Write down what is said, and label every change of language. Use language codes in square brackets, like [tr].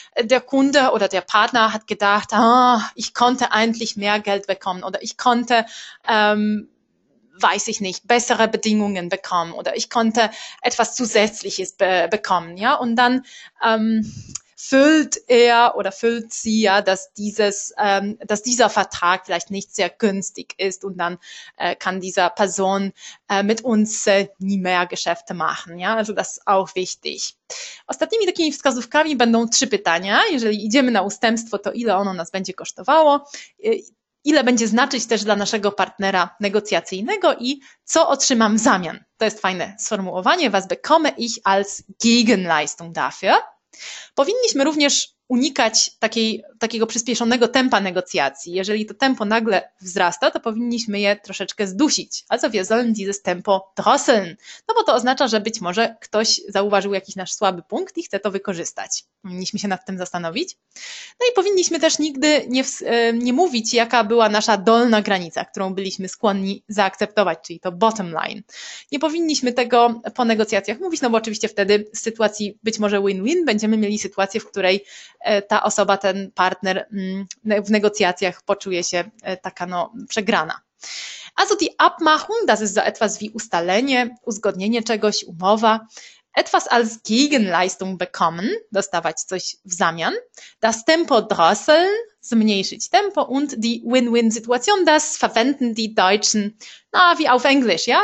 [de] Der Kunde oder der Partner hat gedacht, ich konnte eigentlich mehr Geld bekommen oder ich konnte, weiß ich nicht, bessere Bedingungen bekommen oder ich konnte etwas Zusätzliches bekommen, ja, und dann füllt er oder füllt sie ja, dass dieser Vertrag vielleicht nicht sehr günstig ist und dann kann dieser Person mit uns nie mehr Geschäfte machen, ja, also das ist auch wichtig. [pl] Ostatnimi takimi wskazówkami będą trzy pytania. Jeżeli idziemy na ustępstwo, to ile ono nas będzie kosztowało, ile będzie znaczyć też dla naszego partnera negocjacyjnego i co otrzymam w zamian. To jest fajne sformułowanie, [de] was bekomme ich als Gegenleistung dafür. [pl] Powinniśmy również unikać takiego przyspieszonego tempa negocjacji. Jeżeli to tempo nagle wzrasta, to powinniśmy je troszeczkę zdusić. [de] Also wir sollen dieses Tempo drosseln. [pl] No bo to oznacza, że być może ktoś zauważył jakiś nasz słaby punkt i chce to wykorzystać. Powinniśmy się nad tym zastanowić. No i powinniśmy też nigdy nie mówić, jaka była nasza dolna granica, którą byliśmy skłonni zaakceptować, czyli to bottom line. Nie powinniśmy tego po negocjacjach mówić, no bo oczywiście wtedy z sytuacji być może win-win będziemy mieli sytuację, w której ta osoba, ten partner w negocjacjach poczuje się taka no przegrana. [de] Also die Abmachung, das ist so etwas wie [pl] ustalenie, uzgodnienie czegoś, umowa. [de] Etwas als Gegenleistung bekommen, [pl] dostawać coś w zamian. [de] Das Tempo drosseln, [pl] zmniejszyć tempo [de] und die Win-Win-Situation, das verwenden die Deutschen, na wie auf Englisch, ja?